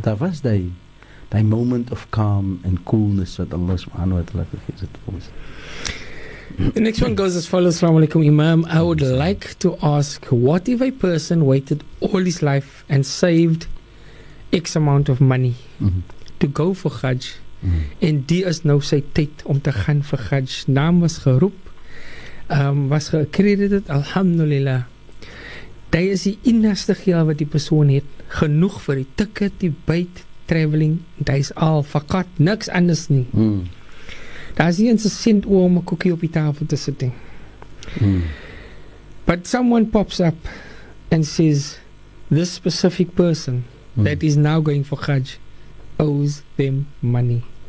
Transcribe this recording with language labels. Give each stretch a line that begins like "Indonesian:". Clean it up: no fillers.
Afrikaans: Dat was die
English: moment of calm and coolness
Afrikaans: wat Allah subhanahu wa ta'ala gegeven het voor ons.
English: The next one goes as follows, Salaamu alaikum Imam. I would like to ask, what if a person waited all his life and saved X amount of money to go for Hajj?
Afrikaans: En die is nou sy tyd om te gaan vir Hajj. Naam was geroep, was geaccredited, alhamdulillah. Dit is die enigste geld wat die persoon het, genoeg vir die ticket, die bite, traveling, dit is al fakat, niks anders nie. Daar is nie in sy cent oor om 'n koekie op die tafel te sit.
English: But someone pops up and says, this specific person that is now going for Hajj owes them money.